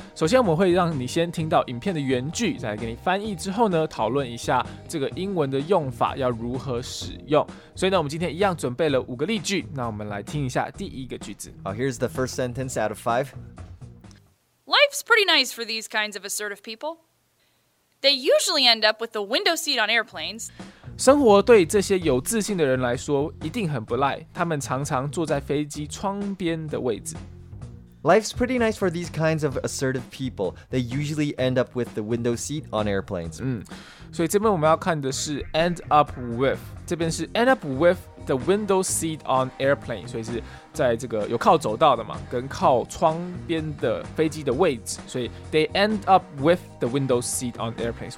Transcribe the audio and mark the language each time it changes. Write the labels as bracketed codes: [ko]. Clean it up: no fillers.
[zh] 首先我们会让你先听到影片的原句，再来给你翻译之后呢，讨论一下这个英文的用法要如何使用。所以呢，我们今天一样准备了五个例句。那我们来听一下第一个句子。Oh, [en] here's the first sentence out of five. Life's pretty nice for these kinds of assertive people. They usually end up with the window seat on airplanes. [zh] 生活对这些有自信的人来说一定很不赖。他们常常坐在飞机窗边的位置。 [en] Life's pretty nice for these kinds of assertive people. They usually end up with the window seat on airplanes. [zh] 所以这边我们要看的是 end up with. 这边是 [en] end up with the window seat on airplane. [zh] 所以是在这个有靠走道的嘛，跟靠窗边的飞机的位置。所以 [en] they end up with the window seat on airplanes.